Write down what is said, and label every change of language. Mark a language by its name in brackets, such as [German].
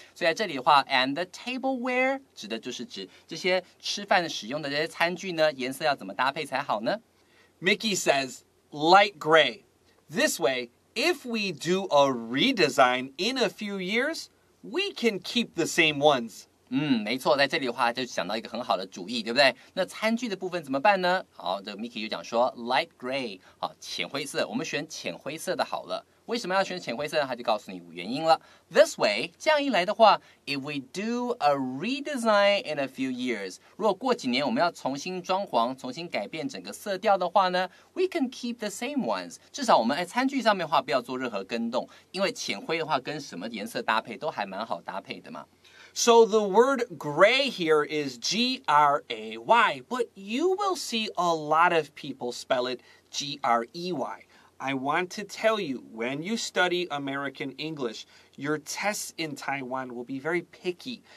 [Chinese] 所以在这里的话 [English] and the tableware [Chinese] 指的就是指这些吃饭使用的这些餐具呢，颜色要怎么搭配才好呢？ [English] Mickey says light gray. This way if we do a redesign in a few years we can keep the same ones. [Chinese] 没错，在这里的话就想到一个很好的主意，对不对？那餐具的部分怎么办呢？好，这个 Mickey 就讲说 light gray 浅灰色，我们选浅灰色的好了。为什么要选浅灰色呢？他就告诉你原因了。 [English] This way, [Chinese] 这样一来的话 [English] ，if we do a redesign in a few years, [Chinese] 如果过几年我们要重新装潢、重新改变整个色调的话呢 [English] ，we can keep the same ones。 [Chinese] 至少我们在餐具上面的话不要做任何更动，因为浅灰的话跟什么颜色搭配都还蛮好搭配的嘛。 [English] So the word gray here is G-R-A-Y, but you will see a lot of people spell it G-R-E-Y. I want to tell you, when you study American English, your tests in Taiwan will be very picky.